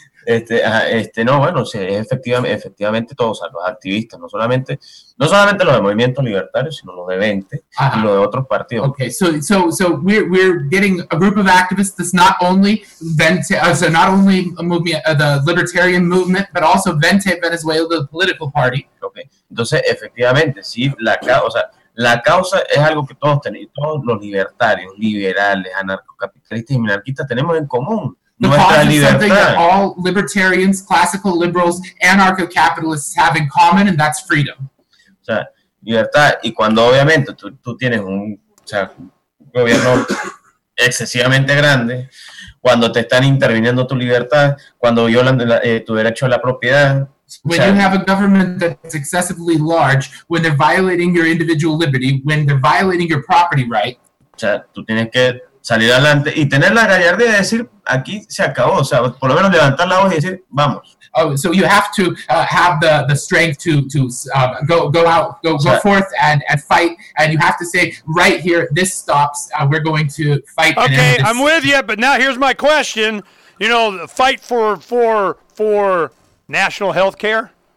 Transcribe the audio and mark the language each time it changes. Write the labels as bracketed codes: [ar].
[es] Efectivamente todos, o sea, los activistas, no solamente los de movimientos libertarios, sino los de 20 y los de otros partidos. [en] Okay, so we're getting a group of activists that's not only 20, so not only a movement, the libertarian movement, but also 20 Venezuela, the political party. [es] Okay, entonces efectivamente, sí, la causa es algo que todos tenemos, todos los libertarios, liberales, anarcocapitalistas y minarquistas tenemos en común. [en] The cause is something that all libertarians, classical liberals, anarcho-capitalists have in common, and that's freedom. [es] O sea, libertad, y cuando obviamente tú tienes un gobierno excesivamente grande, cuando te están interviniendo tu libertad, cuando violan tu derecho a la propiedad. [en] When you have a government that's excessively large, when they're violating your individual liberty, when they're violating your property right. [es] O sea, tú tienes que salir adelante y tener la gallardía de decir, aquí se acabó, o sea, por lo menos levantar la voz y decir, vamos. [en] Oh, so you have to have the strength to go out, go forth and fight, and you have to say, right here, this stops, we're going to fight. Okay, I'm with you, but now here's my question. You know, fight for national health care?